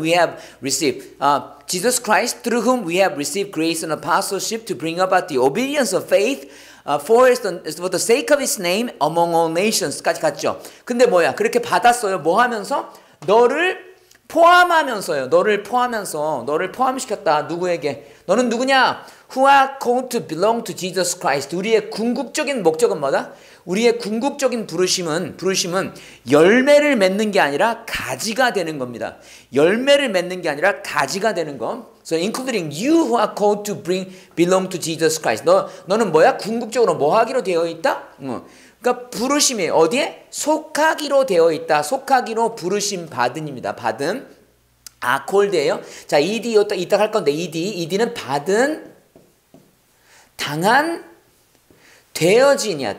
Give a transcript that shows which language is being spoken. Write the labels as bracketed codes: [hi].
[en] we have received Jesus Christ through whom we have received grace and apostleship to bring about the obedience of faith for the sake of his name among all nations까지 갔죠. [ko] 근데 뭐야? 그렇게 받았어요. 뭐 하면서? 너를 포함하면서요. 너를 포함하면서 너를 포함시켰다. 누구에게? 너는 누구냐? [en] Who are going to belong to Jesus Christ? [ko] 우리의 궁극적인 목적은 뭐다? 우리의 궁극적인 부르심은 열매를 맺는 게 아니라 가지가 되는 겁니다. 열매를 맺는 게 아니라 가지가 되는 거. [en] So including you who are called to belong to Jesus Christ. [ko] 너는 뭐야? 궁극적으로 뭐 하기로 되어 있다? 그러니까 부르심이 어디에? 속하기로 되어 있다. 속하기로 부르심 받은입니다. 받은. 아콜드예요. 자, ED 이따 할 건데 ED. ED는 받은, 당한, 되어진이야.